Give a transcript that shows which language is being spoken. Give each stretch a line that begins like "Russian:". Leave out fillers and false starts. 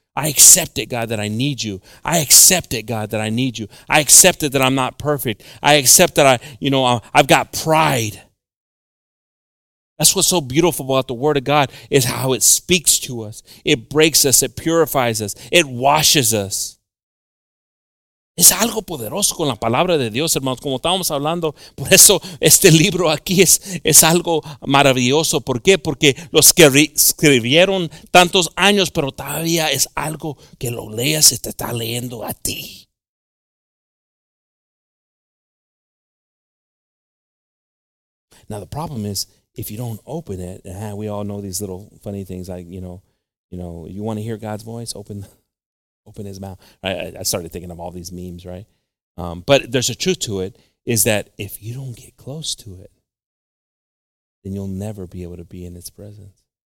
English: I accept it, God, that I need you. I accept it, God, that I need you. I accept it that I'm not perfect. I accept that I've got pride. That's what's so beautiful about the Word of God is how it speaks to us. It breaks us. It purifies us. It washes us.
Spanish: Es algo poderoso con la palabra de Dios, hermanos. Como estábamos hablando, por eso este libro aquí es algo maravilloso. ¿Por qué? Porque los que escribieron tantos años, pero todavía es algo que lo leas y te está leyendo a ti.
English: Now, the problem is, if you don't open it, we all know these little funny things like, you know, you want to hear God's voice? Open his mouth. I started thinking of all these memes, right? But there's a truth to it, is that if you don't get close to it, then you'll never be able to be in its presence.